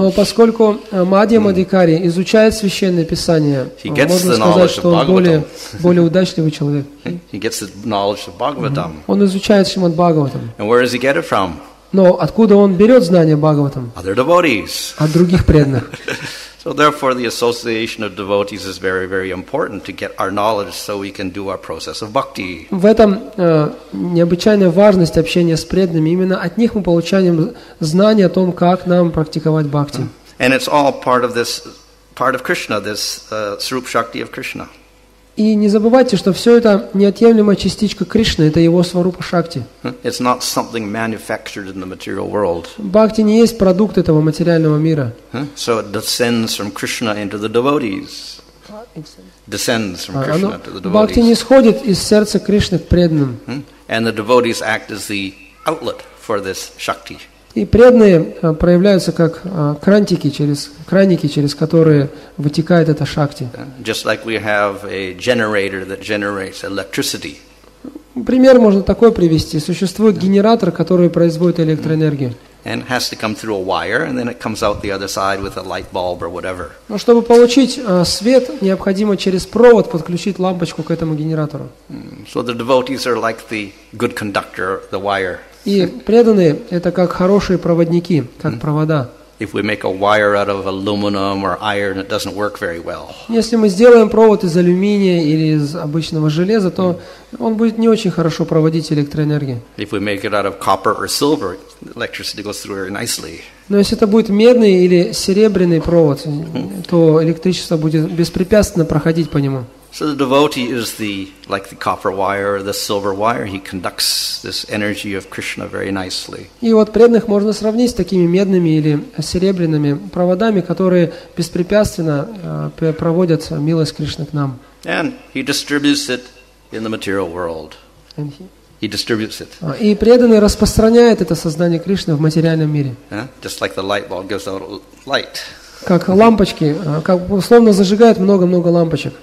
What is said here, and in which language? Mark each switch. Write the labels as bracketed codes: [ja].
[ru] Но поскольку Мадхьямадхикари изучает Священное Писание, можно сказать, что он более удачливый человек. [en] He gets the knowledge of Bhagavatam. [ru] Он изучает Шримад Бхагаватам. [en] And where does he get it from? [ru] Но откуда он берет знания Бхагаватам? [en] Other devotees. [ru] От других преданных. [en] So therefore, the association of devotees is very, very important to get our knowledge, so we can do our process of bhakti. [ru] В этом необычайная важность общения с преданными. Именно от них мы получаем знания о том, как нам практиковать бхакти. [en] And it's all part of this, part of Krishna, this Srup Shakti of Krishna. [ru] И не забывайте, что все это неотъемлемая частичка Кришны, это его сварупа шакти. [en] It's not something manufactured in the material world. [ru] Бхакти не есть продукт этого материального мира. [en] So it descends from Krishna into the devotees. Descends from Krishna into the devotees. [ru] Бхакти не сходит из сердца Кришны к преданным. [en] And the devotees act as the outlet for this shakti. [ru] И преданные проявляются как краники, через которые вытекает эта шакти. [en] Just like we have a generator that generates electricity. [ru] Пример можно такой привести. Существует генератор, который производит электроэнергию. [en] And has to come through a wire, and then it comes out the other side with a light bulb or whatever. [ru] Но чтобы получить свет, необходимо через провод подключить лампочку к этому генератору. [en] So the devotees are like the good conductor, the wire. [ru] И преданные – это как хорошие проводники, как провода. [en] if we make a wire out of aluminum or iron, it doesn't work very well. [ru] Если мы сделаем провод из алюминия или из обычного железа, то он будет не очень хорошо проводить электроэнергию. [en] If we make it out of copper or silver, electricity goes through very nicely. [ru] Но если это будет медный или серебряный провод, то электричество будет беспрепятственно проходить по нему. [en] So the devotee is the like the copper wire or the silver wire. He conducts this energy of Krishna very nicely. [ru] И вот преданных можно сравнить с такими медными или серебряными проводами, которые беспрепятственно проводят милость Кришны к нам. [en] And he distributes it in the material world. He distributes it. [ru] И преданный распространяет это сознание Кришны в материальном мире. [en] Just like the light bulb gives out light. [ru] Как лампочки, как условно зажигает много-много лампочек.